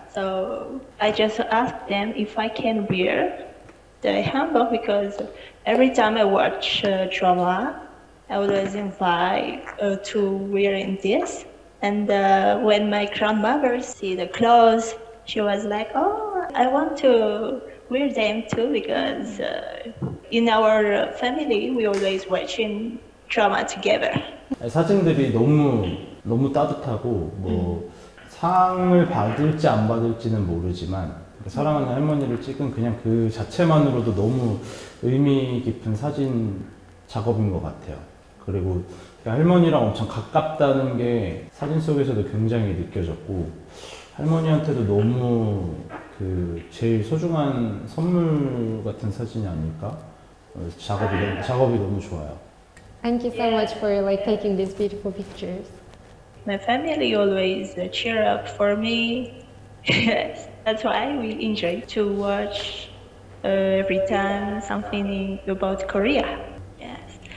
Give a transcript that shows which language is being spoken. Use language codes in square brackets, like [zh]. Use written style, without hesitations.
[en] So I just asked them if I can wear the handbook because every time I watch drama, I was invited to wear in this. And when my grandmother see the clothes, she was like, oh, I want to wear them too because in our family, we always watching drama together. [ko] 사진들이 너무, 너무 따뜻하고 뭐 상을 받을지 안 받을지는 모르지만 사랑하는 할머니를 찍은 그냥 그 자체만으로도 너무 의미 깊은 사진 작업인 것 같아요. 그리고 할머니랑 엄청 가깝다는 게 사진 속에서도 굉장히 느껴졌고 할머니한테도 너무 그 제일 소중한 선물 같은 사진이 아닐까? 작업이 너무 좋아요. [en] Thank you so much for like taking these beautiful pictures. My family always cheer up for me. That's why I really enjoy to watch every time something about Korea. Yes.